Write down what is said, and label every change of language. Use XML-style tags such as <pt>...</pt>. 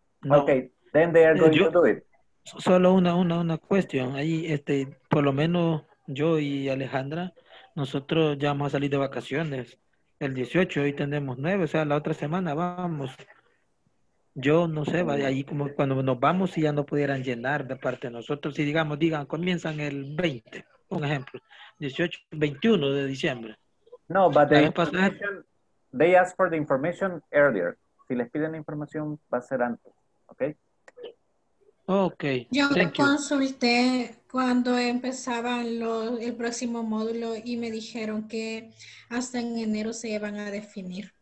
<en>Okay, then they are going to do it.</en> <es>Solo una cuestión. Ahí, por lo menos yo y Alejandra, nosotros ya vamos a salir de vacaciones el 18 y tenemos 9, o sea, la otra semana vamos. Yo no sé, ahí como cuando nos vamos, si ya no pudieran llenar de parte de nosotros, si digamos, digan, comienzan el 20, un ejemplo, 18, 21 de diciembre.</es> <en>No, but the information, they ask for the information earlier.</en> <es>Si les piden información, va a ser antes, ¿ok?</es> <en>Okay.</en> <es>Yo consulté cuando empezaban el próximo módulo y me dijeron que hasta en enero se van a definir.</es>